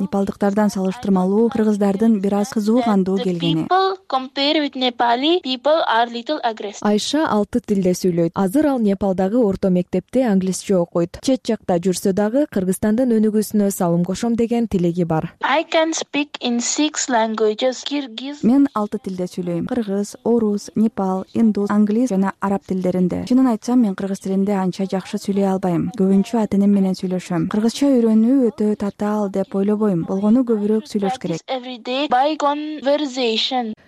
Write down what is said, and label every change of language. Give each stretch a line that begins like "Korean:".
Kyrgyz: Непалдыктардан салыштырмалуу кыргыздардын бир аз кызуу кандуу келгени. Айша 6 тилде сүйлөйт. Азыр ал Непалдагы орто мектепте англисче окуйт. Чет жакта жүрсө дагы Кыргызстандын өнүгүүсүнө салым кошом деген тилеги бар.
English: I can speak in 6 languages. Kyrgyz.
Kyrgyz: Мен 6 тилде сүйлөйм. Кыргыз, орус, непал, индус, англис жана араб тилдеринде. Чынын айтсам, мен кыргыз тилинде анча жакшы сүйлөй албайм. Көбүнчө ата-энем менен сүйлөшөм. Кыргызча үйрөнүү өтө татаал деп ойлобойм. Болгону көбүрөөк сүйлөш керек.